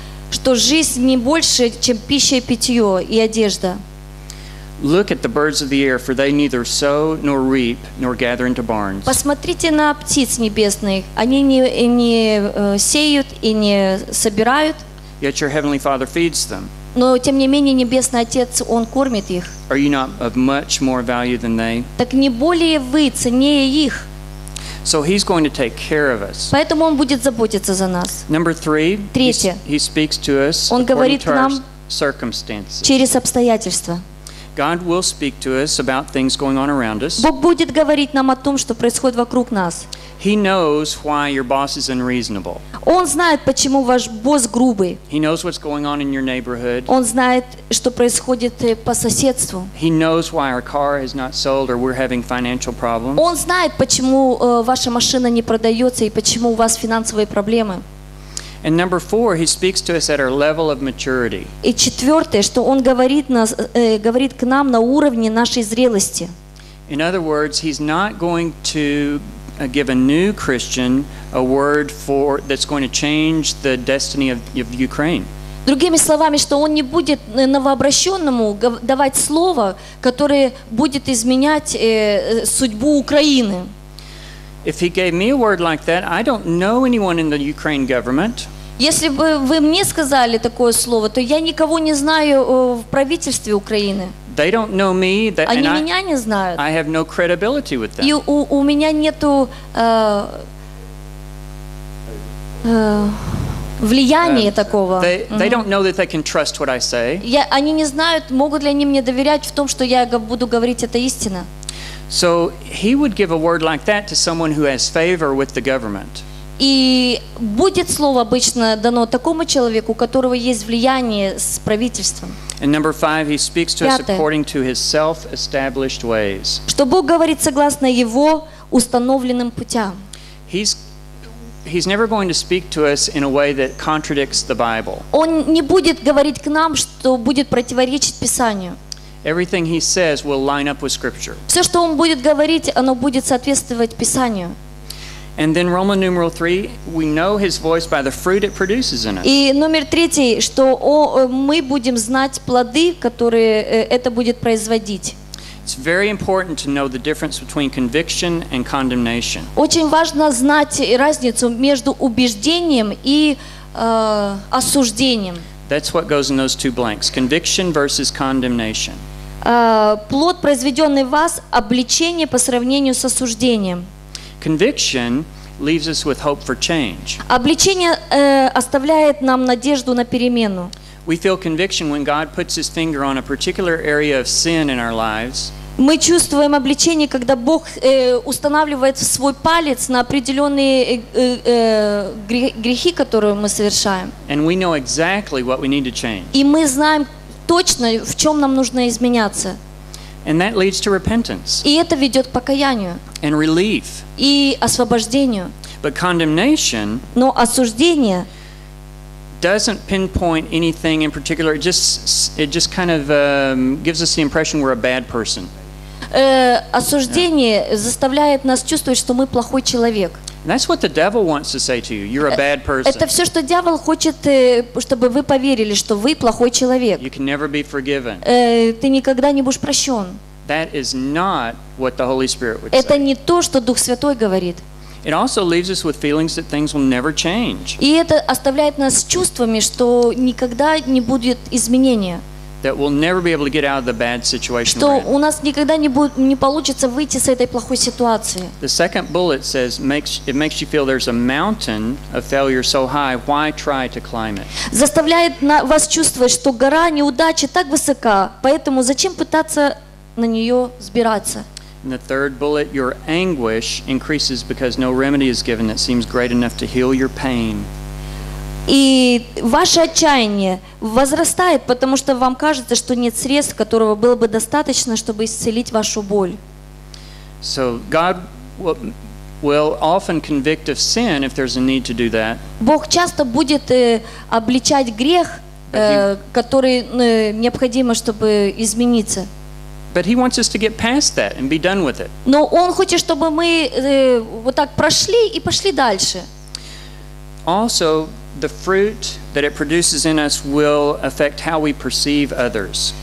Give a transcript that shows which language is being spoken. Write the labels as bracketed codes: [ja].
[ru] Что жизнь не больше, чем пища и питьё и одежда. [en] Look at the birds of the air, for they neither sow nor reap nor gather into barns. [ru] Посмотрите на птиц небесных. Они не сеют и не собирают. [en] Yet your heavenly Father feeds them. [ru] Но тем не менее небесный Отец он кормит их. [en] Are you not of much more value than they? [ru] Так не более вы ценнее их. [en] So he's going to take care of us. [ru] Поэтому он будет заботиться за нас. [en] Number three. [ru] Третье. [en] He speaks to us. [ru] Он говорит нам [en] circumstances. [ru] Через обстоятельства. [en] God will speak to us about things going on around us. [ru] Бог будет говорить нам о том, что происходит вокруг нас. [en] He knows why your boss is unreasonable. [ru] Он знает, почему ваш босс грубый. [en] He knows what's going on in your neighborhood. [ru] Он знает, что происходит по соседству. [en] He knows why our car is not sold or we're having financial problems. [ru] Он знает, почему ваша машина не продается и почему у вас финансовые проблемы. [en] And number four, he speaks to us at our level of maturity. [ru] И четвёртое, что он говорит нас, говорит к нам на уровне нашей зрелости. [en] In other words, he's not going to give a new Christian a word for that's going to change the destiny of Ukraine. [ru] Другими словами, что он не будет новообращенному давать слово, которое будет изменять судьбу Украины. [en] If he gave me a word like that, I don't know anyone in the Ukraine government. [ru] Если бы вы мне сказали такое слово, то я никого не знаю в правительстве Украины. [en] They don't know me. [ru] Они меня не знают. [en] I have no credibility with them. [ru] И у меня нету влияния такого. [en] They don't know that they can trust what I say. [ru] Они не знают, могут ли они мне доверять в том, что я буду говорить это истина. [en] So he would give a word like that to someone who has favor with the government. [ru] И будет слово обычно дано такому человеку, у которого есть влияние с правительством. [en] And number five, he speaks to us according to his self-established ways. [ru] Что Бог говорит согласно его установленным путям. [en] He's never going to speak to us in a way that contradicts the Bible. [ru] Он не будет говорить к нам, что будет противоречить Писанию. [en] Everything he says will line up with Scripture. [ru] Все, что он будет говорить, оно будет соответствовать Писанию. [en] And then Roman numeral 3, we know his voice by the fruit it produces in us. [ru] И номер третий, что мы будем знать плоды, которые это будет производить. [en] It's very important to know the difference between conviction and condemnation. [ru] Очень важно знать разницу между убеждением и осуждением. [en] That's what goes in those two blanks, conviction versus condemnation. [ru] Плод, произведенный в вас, обличение по сравнению с осуждением. [en] Conviction leaves us with hope for change. [ru] Обличение оставляет нам надежду на перемену. [en] We feel conviction when God puts his finger on a particular area of sin in our lives. [ru] Мы чувствуем обличение, когда Бог устанавливает свой палец на определенные грехи, которые мы совершаем. [en] And we know exactly what we need to change. [ru] И мы знаем, точно, в чем нам нужно изменяться. [en] And that leads to repentance. [ru] И это ведет к покаянию. [en] And relief. [ru] И освобождению. [en] But condemnation. [ru] Но осуждение. [en] Doesn't pinpoint anything in particular. It just kind of gives us the impression we're a bad person. [ru] Осуждение заставляет нас чувствовать, что мы плохой человек. [en] That's what the devil wants to say to you. You're a bad person. [ru] Это все, что дьявол хочет, чтобы вы поверили, что вы плохой человек. [en] You can never be forgiven. [ru] Ты никогда не будешь прощен. [en] That is not what the Holy Spirit would say. [ru] Это не то, что Дух Святой говорит. [en] It also leaves us with feelings that things will never change. [ru] И это оставляет нас с чувствами, что никогда не будет изменения. [en] That we'll never be able to get out of the bad situation. [ru] Что у нас никогда не получится выйти с этой плохой ситуации. [en] The second bullet says it makes you feel there's a mountain of failure so high, why try to climb it? [ru] Заставляет вас чувствовать, что гора неудачи так высока, поэтому зачем пытаться на нее взбираться? [en] And the third bullet, your anguish increases because no remedy is given that seems great enough to heal your pain. [ru] И ваше отчаяние возрастает, потому что вам кажется, что нет средств, которого было бы достаточно, чтобы исцелить вашу боль. Бог часто будет обличать грех, который необходимо, чтобы измениться. [en] But he wants us to get past that and be done with it. [ru] Но он хочет, чтобы мы вот так прошли и пошли дальше. [en] Also, the fruit that it produces in us will affect how we perceive others.